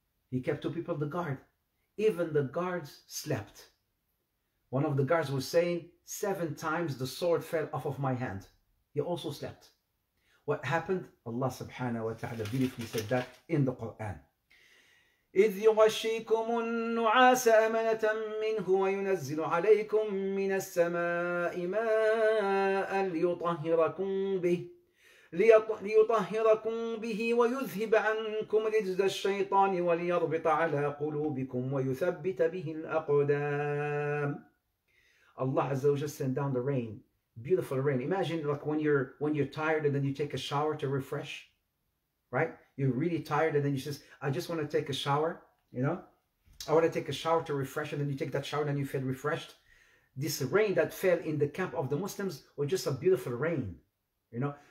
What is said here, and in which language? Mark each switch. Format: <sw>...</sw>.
<en>He kept two people to guard. Even the guards slept. One of the guards was saying, seven times the sword fell off of my hand. He also slept. What happened? Allah subhanahu wa ta'ala beautifully said that in the Quran.</en> <ar>إِذْ يُغَشِّيكُمُ النُّعَاسَ أَمَنَةً مِّنْهُ وَيُنَزِّلُ عَلَيْكُمْ مِنَ السَّمَاءِ مَاءً لِيُطَهِّرَكُمْ بِهِ ليطهركم به ويذهب عنكم رجز الشيطان وليربط على قلوبكم ويثبت به الأقدام.</ar> <en>Allah Azza wa Jalla sent down the rain, beautiful rain. Imagine like when you're tired and then you take a shower to refresh, right? You're really tired and then you says, I just want to take a shower, you know? I want to take a shower to refresh, and then you take that shower and you feel refreshed. This rain that fell in the camp of the Muslims was just a beautiful rain, you know?</en>